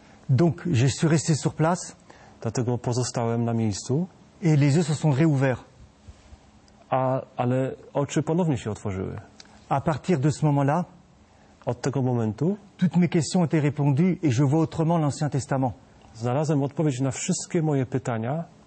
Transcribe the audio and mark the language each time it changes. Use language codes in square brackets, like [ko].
[fr] Donc, je suis resté sur place. [pl] Dlatego pozostałem na miejscu. [fr] Et les yeux se sont réouverts. [pl] Ale oczy ponownie się otworzyły. [fr] À partir de ce moment-là, [pl] od tego momentu, [fr] toutes mes questions ont été répondues et je vois autrement l'Ancien Testament. [pl] Znalazłem odpowiedź na wszystkie moje pytania.